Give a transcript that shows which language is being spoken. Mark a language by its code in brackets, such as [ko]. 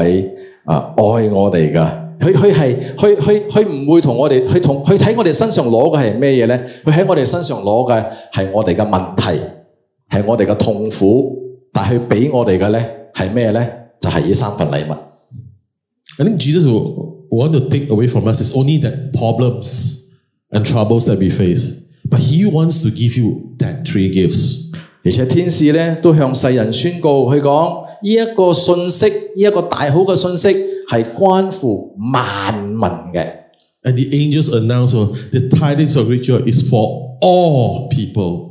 [zh] 因为我们相信耶稣是那位爱我们的。他在我们身上拿的是什么呢？他在我们身上拿的是我们的问题，是我们的痛苦，但他给我们的是什么呢？就是这三份礼物。 [en] I think Jesus will want to take away from us is only that problems and troubles that we face. But he wants to give you that three gifts. [zh] 而且天使都向世人宣告，他说这个信息，这个大好的信息， 是关乎万民的。 [en] And the angels announce the tidings of great joy is for all people.